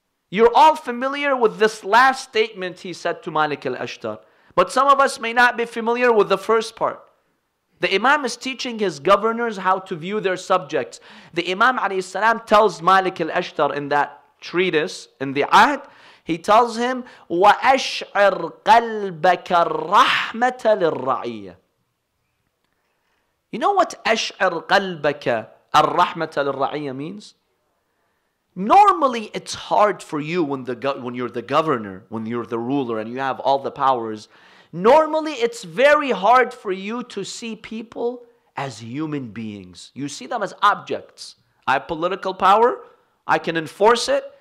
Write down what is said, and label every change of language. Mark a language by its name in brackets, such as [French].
[English] You're all familiar with this last statement he said to Malik al-Ashtar. But some of us may not be familiar with the first part. The Imam is teaching his governors how to view their subjects. The Imam alayhi salam tells Malik al-Ashtar in that treatise, in the Ahd, He tells him, [Arabic] وَأَشْعِرْ قَلْبَكَ الرَّحْمَةَ لِلرَّعِيَّةِ. [English] You know what [Arabic] أَشْعِرْ قَلْبَكَ الرَّحْمَةَ لِلرَّعِيَّةِ means? [English] Normally, it's hard for you when you're the governor, when you're the ruler and you have all the powers. Normally, it's very hard for you to see people as human beings. You see them as objects. I have political power. I can enforce it.